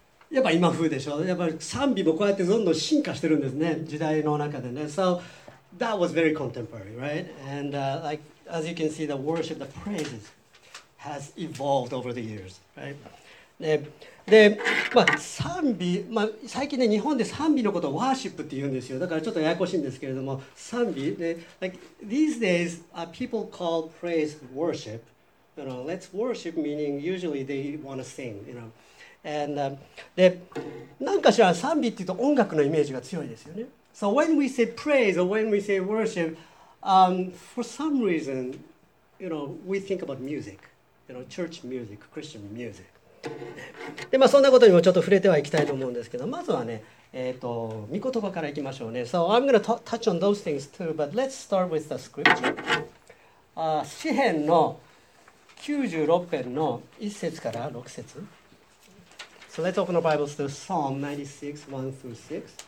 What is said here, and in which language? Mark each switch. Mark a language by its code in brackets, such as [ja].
[ja] やっぱ今風でしょ。やっぱり賛美もこうやってどんどん進化してるんですね。時代の中でね。 [en] So that was very contemporary, right? And like as you can see, the worship, the praises has evolved over the years, right? [ja] で、まあ賛美、まあ最近ね日本で賛美のことをワーシップって言うんですよ。だからちょっとややこしいんですけれども、賛美で、 [en] like these days, people call praise worship. You know, let's worship meaning usually they want to sing. You know. [ja] And, で、なんかしら賛美っていうと音楽のイメージが強いですよね。 [en] So when we say praise or when we say worship, for some reason, you know, we think about music, you know, church music, Christian music. [ja] で、まあそんなことにもちょっと触れてはいきたいと思うんですけど、まずはね、御言葉からいきましょうね。 [en] So I'm going to touch on those things too, but let's start with the scripture. [ja] 詩編の96編の1節から6節。 [en] So let's open our Bibles to Psalm 96, 1 through 6.